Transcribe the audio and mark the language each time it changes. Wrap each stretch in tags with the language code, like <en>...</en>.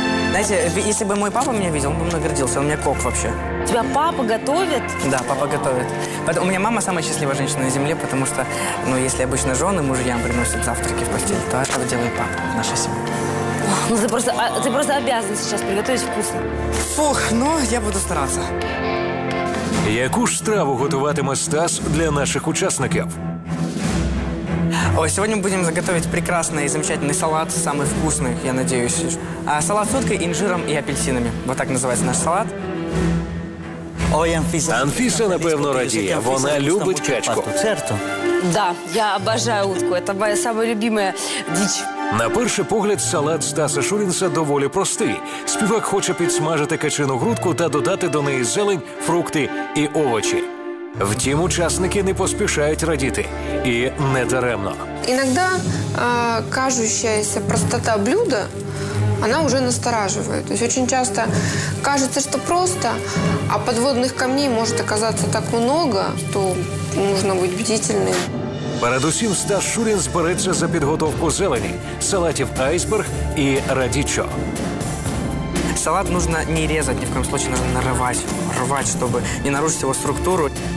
<ru>Знаете, если бы мой папа меня видел, он бы мной гордился. Он у меня кок вообще. Тебя папа готовит? Да, папа готовит. У меня мама самая счастливая женщина на земле, потому что, ну, если обычно жены мужьям приносят завтраки в постель, то это делает папа, наша семья. Ну, ты просто обязан сейчас приготовить вкусно. Фух, ну, я буду стараться.</ru> <uk>Яку ж страву готуватиме Стас для наших учасників?</uk> <ru>Ой, сегодня мы будем заготовить прекрасный и замечательный салат, самый вкусный, я надеюсь. А салат с уткой, инжиром и апельсинами. Вот так называется наш салат. Ой, Анфиса.</ru> <uk>Анфиса, напевно, радіє. Вона любить качку.</uk> <ru>Да, я обожаю утку. Это моя самая любимая дичь.</ru> <uk>На перший погляд, салат Стаса Шурінса доволі простий. Співак хоче підсмажити качину грудку та додати до неї зелень, фрукти і овочі. Втім, учасники не поспішають радіти. І не даремно. Іноді</uk> <ru>кажущаяся простота блюда,</ru> <uk>вона вже настораживає. Тобто, дуже часто кажеться, що просто, а підводних камней може оказатися так багато, що потрібно бути бдительним. Перед усім Стас Шурінс збереться за підготовку зелені, салатів айсберг і радічо.</uk> <ru>Салат нужно не резать, ни в коем случае нужно рвать, чтобы не нарушить его структуру.</ru>